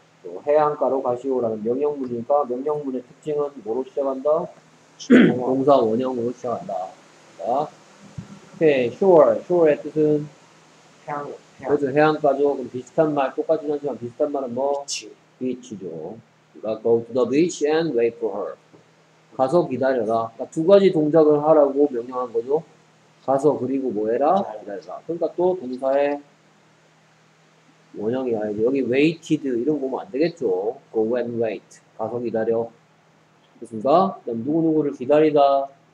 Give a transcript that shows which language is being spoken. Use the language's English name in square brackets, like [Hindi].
[Korean] 또 해안가로 가시오라는 명령문이니까 명령문의 특징은 뭐로 시작한다? 동사 원형으로 시작한다. 자. 오케이. shore. shore의 뜻은? 해안. 그렇죠. 해안가죠. 그럼 비슷한 말, 똑같긴 하지만 비슷한 말은 뭐? beach죠. 그러니까 [English] go to the beach and wait for her. [Korean] 가서 기다려라. 그러니까 두 가지 동작을 하라고 명령한 거죠. 가서 그리고 뭐 해라? 기다려라. 그러니까 또 동사에 원형이 아니죠. 여기 waited 이런 거 보면 안 되겠죠. [English] go and wait. [Korean] 가서 기다려. 됐습니까? 그럼 누구누구를 기다리다.